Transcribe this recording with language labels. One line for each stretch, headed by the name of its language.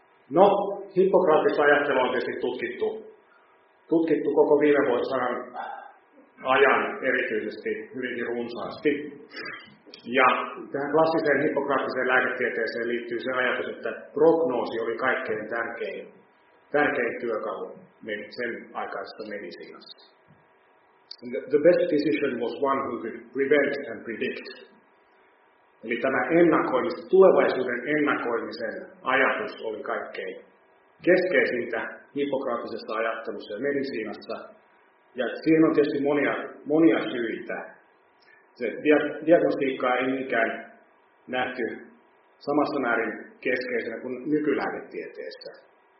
Finnish: No, hippokraattista ajattelua on tietysti tutkittu koko viime vuosisadan ajan erityisesti hyvinkin runsaasti. Ja tähän klassiseen hippokraattiseen lääketieteeseen liittyy se ajatus, että prognoosi oli kaikkein tärkein työkalu sen aikaisesta medisiinassa.
English: The best physician was one who could prevent and predict.
Finnish: Eli tämä tulevaisuuden ennakoimisen ajatus oli kaikkein keskeisintä hippokraattisesta ajattelussa ja medisiinassa. Ja siihen on tietysti monia syitä. Se diagnostiikkaa ei niinkään nähty samassa määrin keskeisenä kuin nykylääketieteessä.